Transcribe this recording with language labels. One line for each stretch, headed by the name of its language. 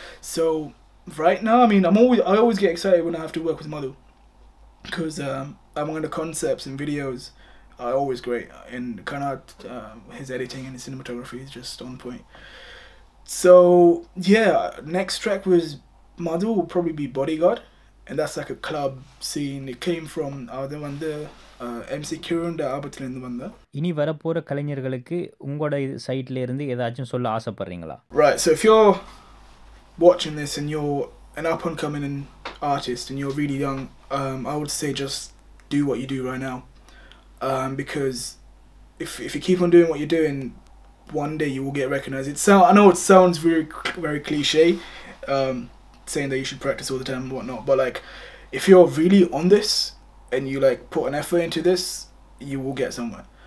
English: So right now, I mean, I always get excited when I have to work with Madhu, because among the concepts and videos are always great, and kind of his editing and his cinematography is just on point. So yeah, next track was Madhu, will probably be Bodyguard, and that's like a club scene. It came from the one there. MC Kirunda
Tamil: ஆபத்துலேருந்து வந்தேன். இனி வரப்போகிற கலைஞர்களுக்கு உங்களோட சைட்லேருந்து ஏதாச்சும் சொல்ல ஆசைப்படுறீங்களா?
English: Right, so if you're watching this and you're an up-and-coming artist and you're really young, I would say just do what you do right now. Because if you keep on doing what you're doing, one day you will get recognized. I know it sounds very, very cliche, saying that you should practice all the time and whatnot, but like, if you're really on this, and you like put an effort into this, you will get somewhere.